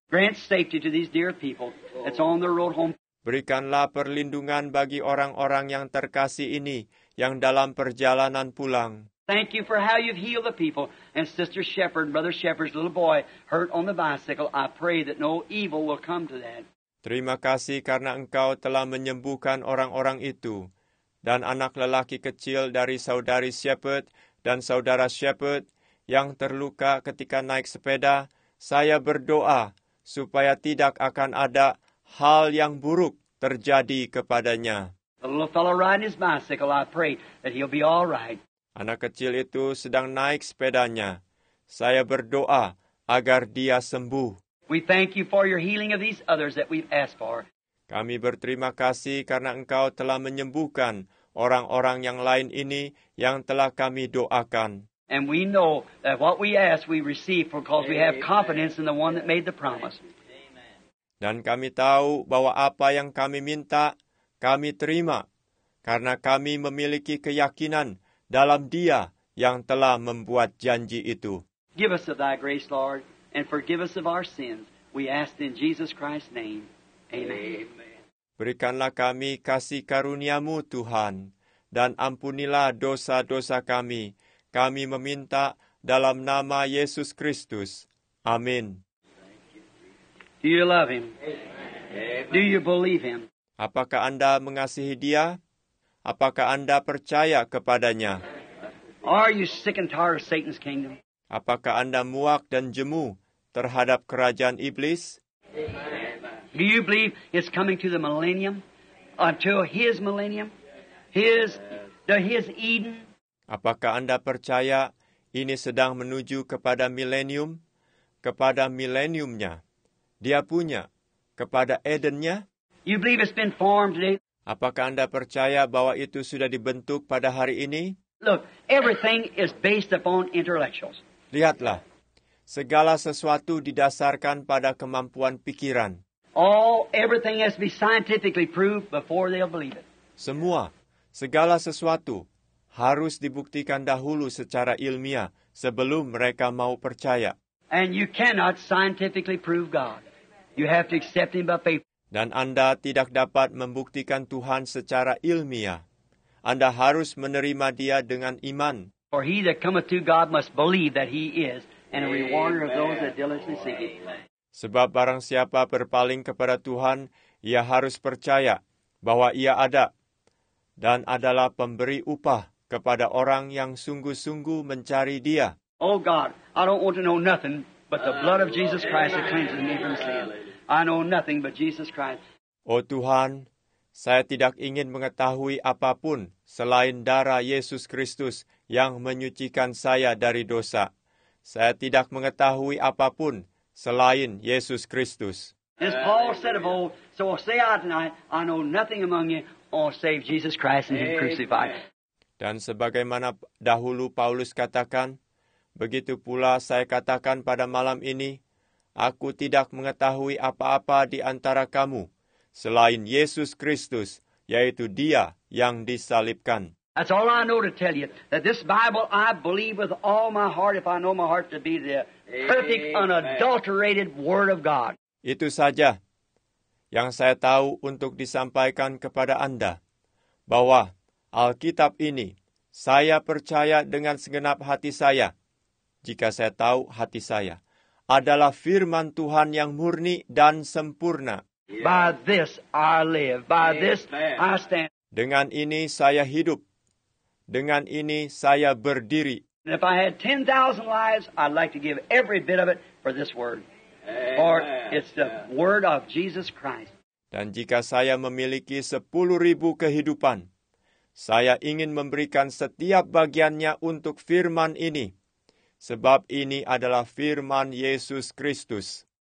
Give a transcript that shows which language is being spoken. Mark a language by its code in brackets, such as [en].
[en] Grant safety to these dear people that's on their road home. [id] Berikanlah perlindungan bagi orang-orang yang terkasih ini yang dalam perjalanan pulang. [en] Thank you for how you've healed the people and Sister Shepherd, Brother Shepherd's little boy hurt on the bicycle. I pray that no evil will come to that. [id] Terima kasih karena Engkau telah menyembuhkan orang-orang itu dan anak lelaki kecil dari saudari Shepherd dan saudara Shepherd yang terluka ketika naik sepeda. Saya berdoa supaya tidak akan ada hal yang buruk terjadi kepadanya. [en] The little fellow riding his bicycle, I pray that he'll be all right. [id] Anak kecil itu sedang naik sepedanya. Saya berdoa agar dia sembuh. [en] We thank you for your healing of these others that we've asked for. [id] Kami berterima kasih karena Engkau telah menyembuhkan orang-orang yang lain ini yang telah kami doakan. [en] And we know that what we ask we receive because we have confidence in the one that made the promise. [id] Dan kami tahu bahwa apa yang kami minta, kami terima, karena kami memiliki keyakinan dalam Dia yang telah membuat janji itu. [en] Give us of Thy grace, Lord, and forgive us of our sins. We ask in Jesus Christ's name. Amen. [id] Berikanlah kami kasih karunia-Mu, Tuhan, dan ampunilah dosa-dosa kami. Kami meminta dalam nama Yesus Kristus. Amin. [en] Do you love Him? Do you believe Him? [id] Apakah Anda mengasihi Dia? Apakah Anda percaya kepadanya? [en] Are you sick and tired of Satan's kingdom? [id] Apakah Anda muak dan jemu terhadap kerajaan iblis? [en] Do you believe it's coming to the millennium? Until His millennium? His Eden? [id] Apakah Anda percaya ini sedang menuju kepada milenium? Kepada milenium-Nya? Dia punya kepada Eden-nya? [en] You believe it's been formed today? [id] Apakah Anda percaya bahwa itu sudah dibentuk pada hari ini? [en] Look, everything is based upon intellectuals. [id] Lihatlah, segala sesuatu didasarkan pada kemampuan pikiran. [en] All everything has to be scientifically proved before they'll believe it. [id] Semua, segala sesuatu harus dibuktikan dahulu secara ilmiah sebelum mereka mau percaya. [en] And you cannot scientifically prove God. You have to accept Him by faith. [id] Dan Anda tidak dapat membuktikan Tuhan secara ilmiah. Anda harus menerima Dia dengan iman. [en] For he that cometh to God must believe that He is, and a rewarder of those that diligently seek Him. [id] Sebab barang siapa berpaling kepada Tuhan, ia harus percaya bahwa Ia ada, dan adalah pemberi upah kepada orang yang sungguh-sungguh mencari Dia. [en] Oh God, I don't want to know nothing but the blood of Jesus Christ that cleanses me from sin. I know nothing but Jesus Christ. [id] Oh Tuhan, saya tidak ingin mengetahui apapun selain darah Yesus Kristus yang menyucikan saya dari dosa. Saya tidak mengetahui apapun selain Yesus Kristus. [en] As Paul said of old, so I say I tonight, I know nothing among you all save Jesus Christ and Him crucified. [id] Dan sebagaimana dahulu Paulus katakan, begitu pula saya katakan pada malam ini, aku tidak mengetahui apa-apa di antara kamu, selain Yesus Kristus, yaitu Dia yang disalibkan. [en] That's all I know to tell you, that this Bible I believe with all my heart, if I know my heart to be the perfect, unadulterated Word of God. [id] Itu saja yang saya tahu untuk disampaikan kepada Anda, bahwa Alkitab ini saya percaya dengan segenap hati saya, jika saya tahu hati saya, adalah firman Tuhan yang murni dan sempurna. [en] By this I live. By this I stand. [id] Dengan ini saya hidup. Dengan ini saya berdiri. [en] If I had 10,000 lives, I'd like to give every bit of it for this word. Or it's the word of Jesus Christ. [id] Dan jika saya memiliki 10,000 kehidupan, saya ingin memberikan setiap bagiannya untuk firman ini. Sebab ini adalah firman Yesus Kristus.